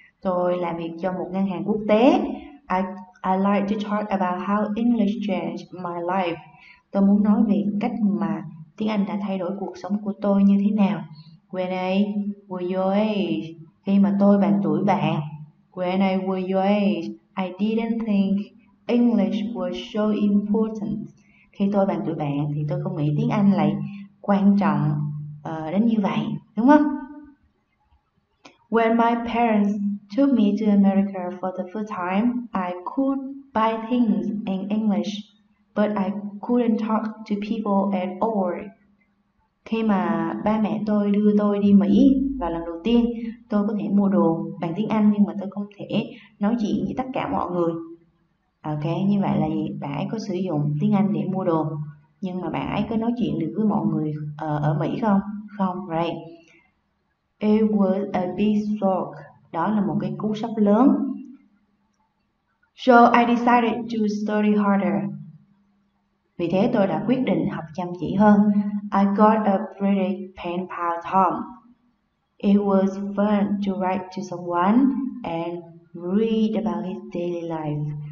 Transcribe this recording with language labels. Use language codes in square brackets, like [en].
[vi] Tôi làm việc cho một ngân hàng quốc tế. [en] I like to talk about how English changed my life. [vi] Tôi muốn nói về cách mà tiếng Anh đã thay đổi cuộc sống của tôi như thế nào. [en] When I were your age, [vi] khi mà tôi bằng tuổi bạn. [en] When I were your age, I didn't think English was so important. [vi] Khi tôi bằng tuổi bạn thì tôi không nghĩ tiếng Anh lại quan trọng đến như vậy, đúng không? [en] When my parents took me to America for the first time, I could buy things in English, but I couldn't talk to people at all. [vi] Khi mà ba mẹ tôi đưa tôi đi Mỹ vào lần đầu tiên, tôi có thể mua đồ bằng tiếng Anh nhưng mà tôi không thể nói chuyện với tất cả mọi người. Ok, như vậy là bạn ấy có sử dụng tiếng Anh để mua đồ, nhưng mà bạn ấy có nói chuyện được với mọi người ở Mỹ không? Không, [en] right. It was a big shock. [vi] Đó là một cái cú sốc lớn. [en] So I decided to study harder. [vi] Vì thế tôi đã quyết định học chăm chỉ hơn. [en] I got a pretty pen pal Tom. It was fun to write to someone and read about his daily life.